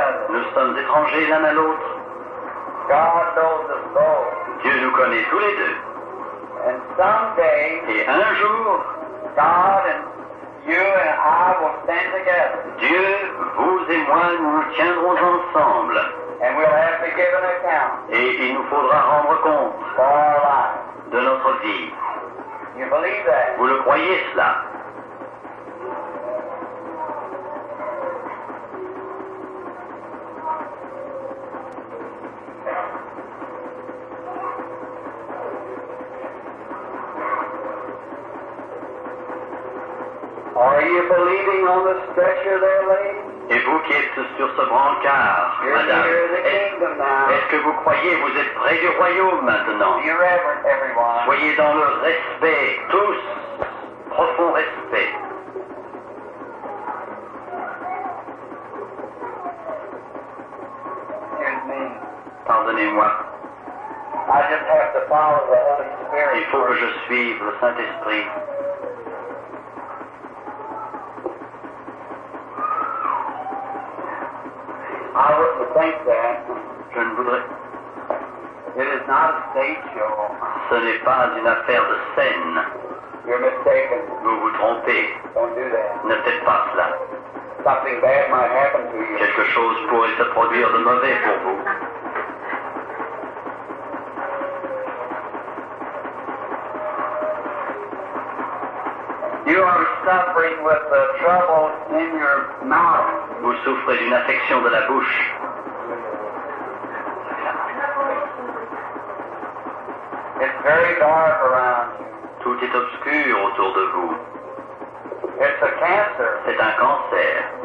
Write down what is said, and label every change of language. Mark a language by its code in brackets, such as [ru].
[fr] Nous sommes étrangers l'un à l'autre. [en] God knows us both. [fr] Dieu nous connaît tous les deux. [en] And someday, [fr] et un jour, [en] God and you and I will stand together. [fr] Dieu, vous et moi, nous nous tiendrons ensemble. [en] And we'll have to give an account. [fr] Et il nous faudra rendre compte [en] for our lives. [fr] De notre vie. [en] You believe that? [fr] Vous le croyez cela? [en] Are you believing on the stretcher there, lady? [fr] Et vous qui êtes sur ce brancard, [en] you're [fr] madame, est-ce que vous croyez, vous êtes près du royaume maintenant? Soyez dans le respect, tous, profond respect. Pardonnez-moi. [en] I just have to follow the Holy Spirit. [fr] Il faut que je suive le Saint-Esprit. [en] I wouldn't think that. [fr] Je ne voudrais. [en] It is not a stage show. [fr] Ce n'est pas une affaire de scène. [en] You're mistaken. [fr] Vous vous trompez. [en] Don't do that. [fr] Ne faites pas cela. [en] Something bad might happen to you. [fr] Quelque chose pourrait se produire de mauvais pour vous. [en] You are suffering with the trouble in your mouth. [fr] Vous souffrez d'une affection de la bouche. [en] It's very dark around. [fr] Tout est obscur autour de vous. [en] It's a cancer. [fr] C'est un cancer.